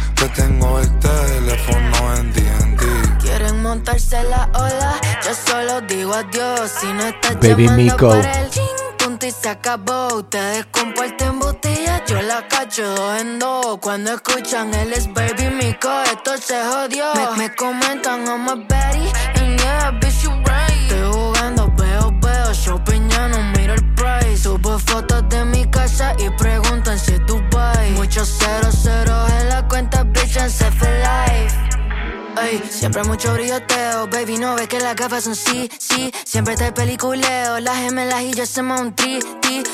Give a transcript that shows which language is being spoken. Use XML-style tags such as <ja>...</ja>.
<es>Que tengo el teléfono en D&D. Quieren montarse la ola, yo solo digo adiós. Si no estás</es> <en>baby</en> <es>llamando Mico para el ching, punto y se acabó. Ustedes comparten botellas, yo la cacho dos en dos. Cuando escuchan él es Baby Mico, esto se jodió. Me comentan,</es> <en>I'm a baddie, and yeah, bitch, you right.</en> <es>Estoy jugando, veo, veo, shopping, ya no miro el price. Subo fotos de mi casa y preguntan si es Dubai. Muchos cero, cero en la cuenta,</es> <en>bitch, and safe for life.</en> <es>Ey, siempre mucho brilloteo, baby, no ves que las gafas son sí, sí. Siempre te peliculeo, las gemelas y yo hacemos un tri, tri.</es>